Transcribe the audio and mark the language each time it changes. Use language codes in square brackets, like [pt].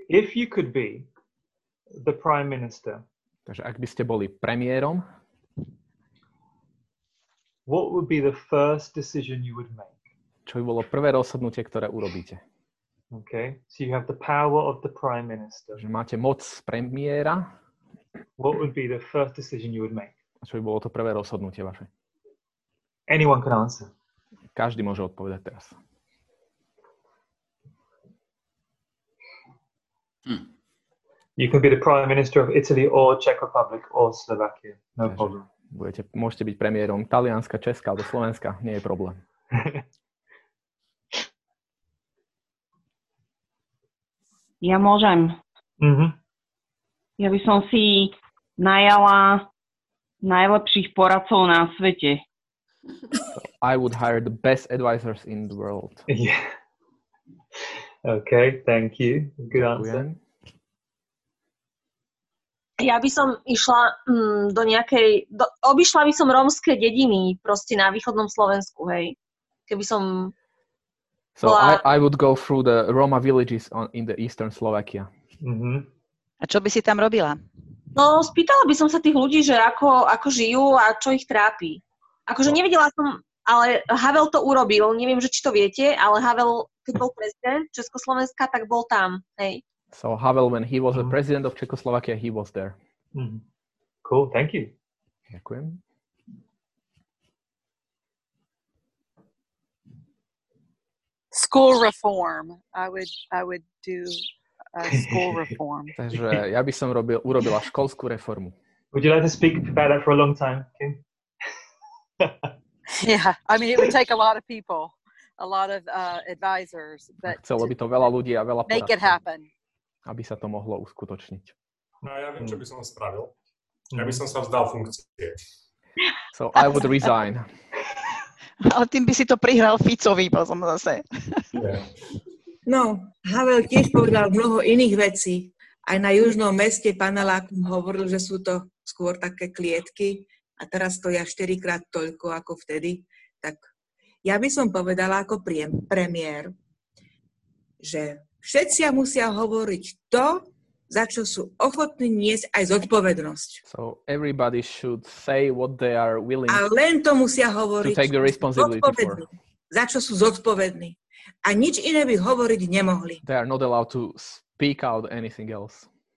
[en] If you could be the prime minister, [sk] Takže ak by ste boli premiérom, [en] what would be the first decision you would make? [sk] čo by bolo prvé rozhodnutie, ktoré urobíte? [en] Okay, so you have the power of the prime minister. [sk] Že máte moc premiéra. [en] What would be the first decision you would make? [sk] Čo by bolo to prvé rozhodnutie vaše? [en] Anyone can answer. [sk] Každý môže odpovedať teraz. [en] You can be the prime minister of Italy or Czech Republic or Slovakia. No problem. [sk] Môžete byť premiérom Talianska, Česka alebo Slovenska. Nie je problém. Ja môžem. Mm-hmm. Ja by som si najala najlepších poradcov na svete. [en] So I would hire the best advisors in the world. Yeah. Okay, thank you. Good answer. [sk] Ja by som išla do nejakej... obišla by som rómske dediny proste na východnom Slovensku, hej. Keby som... [en] So I would go through the Roma villages in the eastern Slovakia. Mm-hmm. [sk] A čo by si tam robila? No, spýtala by som sa tých ľudí, že ako žijú a čo ich trápi. Akože no. Nevedela som, ale Havel to urobil, neviem, že či to viete, ale Havel, keď bol prezident Československa, tak bol tam, hej. [en] So Havel, when he was the president of Czechoslovakia, he was there. Mm-hmm. Cool, thank you. [sk] Ďakujem. [en] School reform. I would do school reform. [sk] Takže ja by som urobila školskú reformu. [en] Would you like to speak about that for a long time, Kim? Yeah, I mean, it would take a lot of people, a lot of advisors. But [sk] chcelo by to veľa ľudí a veľa poradcov. [en] Make it happen. [sk] Aby sa to mohlo uskutočniť. No, ja viem, čo by som spravil. Ja by som sa vzdal funkcie. [en] So I would resign. [sk] Ale tým by si to prihral Ficovi, bol som zase. [en] Yeah. [sk] No, Havel tiež povedal mnoho iných vecí. Aj na južnom meste paneláku hovoril, že sú to skôr také klietky a teraz stoja 4-krát toľko ako vtedy. Tak ja by som povedala ako premiér, že všetci musia hovoriť to, za čo sú ochotní niesť aj zodpovednosť. [en] So everybody should say what they are willing. [sk] A len to musia hovoriť. [en] To take the responsibility for. [sk] Za čo sú zodpovední. A nič iné by hovoriť nemohli. [en] They are not allowed to speak out anything else.